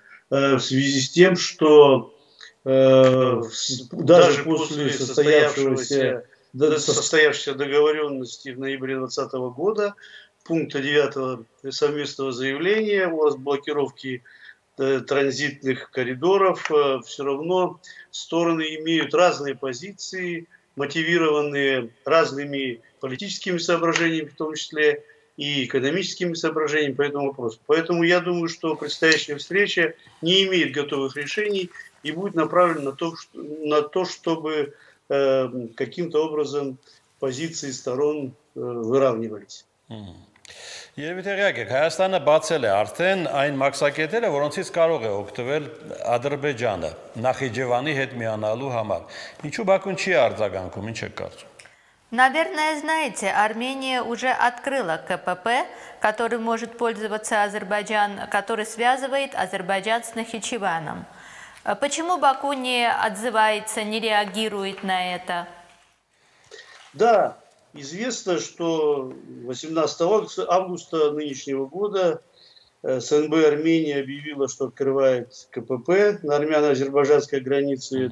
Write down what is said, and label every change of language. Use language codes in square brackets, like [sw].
[ru] в связи с тем, что даже после состоявшейся договоренности в ноябре 2020 года, пункта 9 совместного заявления о разблокировке транзитных коридоров, все равно стороны имеют разные позиции, мотивированные разными политическими соображениями, в том числе и экономическими соображениями по этому вопросу. Поэтому я думаю, что предстоящая встреча не имеет готовых решений и будет направлена на то, чтобы каким-то образом позиции сторон выравнивались. [hy] Երևի Հայաստանը բացել է արդեն այն մաքսակետերը, որոնցից կարող է օգտվել Ադրբեջանը Նախիջևանի հետ միանալու համար։ Ինչու Բաքուն չի արձագանքում, ինչ եք կարծում։ [ru] Наверное, знаете, Армения уже открыла КПП, который может пользоваться Азербайджан, который связывает Азербайджан с Нахичеваном. Почему Баку не отзывается, не реагирует на это? Да, известно, что 18 августа нынешнего года СНБ Армении объявила, что открывает КПП на армяно-азербайджанской границе.